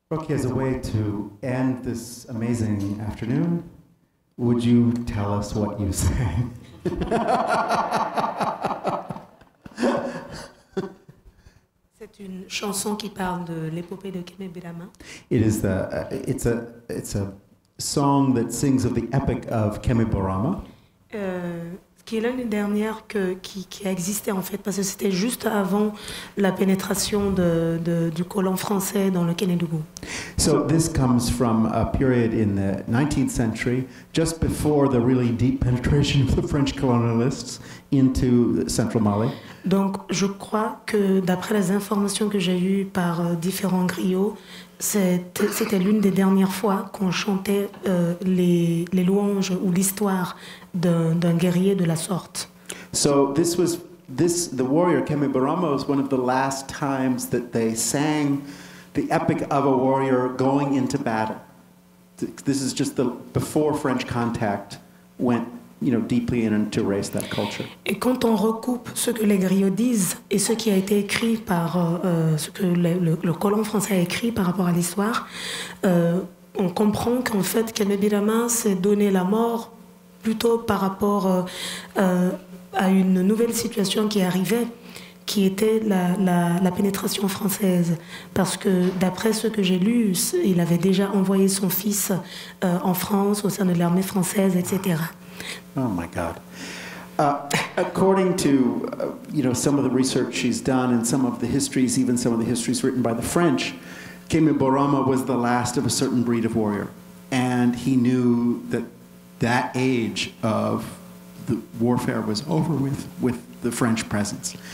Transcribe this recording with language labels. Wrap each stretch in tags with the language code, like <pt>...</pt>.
<en>As a way to end this amazing afternoon, would you tell us what you sang?</en> <fr>C'est une chanson qui parle de l'épopée de Kémé Birama.</fr> <en>It's a song that sings of the epic of Kémé Birama.</en> <fr>Qui est l'une des dernières qui a existé en fait, parce que c'était juste avant la pénétration du colon français dans le Kénédougou.</fr> <en>So this comes from a period in the 19th century, just before the really deep penetration of the French colonialists into central Mali.</en> <fr>Donc je crois que d'après les informations que j'ai eues par différents griots, c'était l'une des dernières fois qu'on chantait les louanges ou l'histoire d'un guerrier de la sorte.</fr> <en>So this was the warrior Kémé Birama was one of the last times that they sang the epic of a warrior going into battle. This is just before French contact went, you know, deeply in and to erase that culture.</en> <fr>Et quand on recoupe ce que les griots disent et ce qui a été écrit par ce que le colon français a écrit par rapport à l'histoire, on comprend qu'en fait Kémé Birama s'est donné la mort plutôt par rapport à une nouvelle situation qui arrivait, qui était la pénétration française. Parce que d'après ce que j'ai lu, il avait déjà envoyé son fils en France, au sein de l'armée française, etc.</fr> <en>Oh my God. According to you know, some of the research she's done and some of the histories, even some of the histories written by the French, Kémé Birama was the last of a certain breed of warrior. And he knew that age of the warfare was over with the French presence.</en>